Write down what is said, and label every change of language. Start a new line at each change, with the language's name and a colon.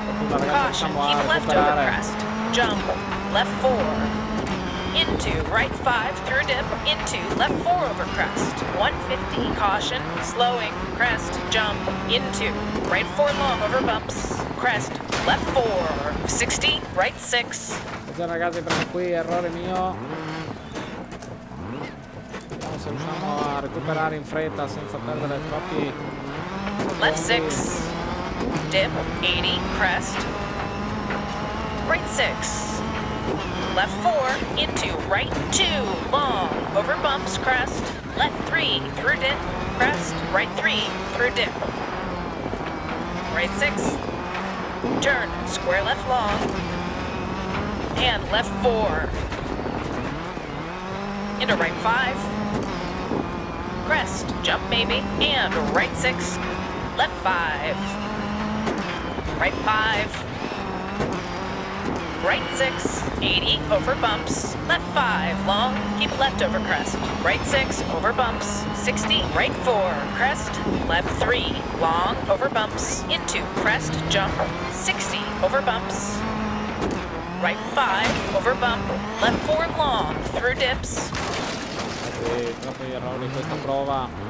English: Caution, keep left over crest. Jump, left four. Into right five, through dip. Into left four over crest. 150, caution, slowing. Crest, jump, into right four long over bumps. Crest, left four. 60, right six.
Italian: Attenzione, ragazzi, prendo qui, errore mio. Vediamo se riusciamo a recuperare in fretta senza perdere troppi.
English: Left six. Dip, 80, crest, right 6, left 4, into right 2, long, over bumps, crest, left 3, through dip, crest, right 3, through dip, right 6, turn, square left long, and left 4, into right 5, crest, jump maybe, and right 6, left 5, right five, right six, 80, over bumps, left five, long, keep left over crest, right six, over bumps, 60, right four, crest, left three, long, over bumps, into crest, jump, 60, over bumps, right 5, over bump, left 4 long, through dips.
Italian: Troppi errori in questa prova.